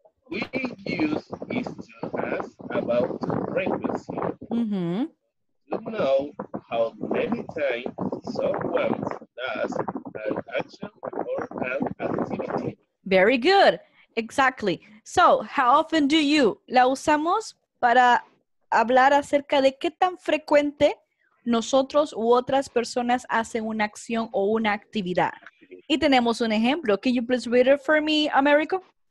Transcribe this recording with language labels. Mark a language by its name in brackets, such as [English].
[English] We use is to ask about frequency. Mm-hmm. To know how many times someone does an action or an activity. Very good. Exactly. So, how often do you? [Spanish] La usamos para hablar acerca de qué tan frecuente nosotros u otras personas hacen una acción o una actividad. Y tenemos un ejemplo. [English] Can you please read it for me, Americo?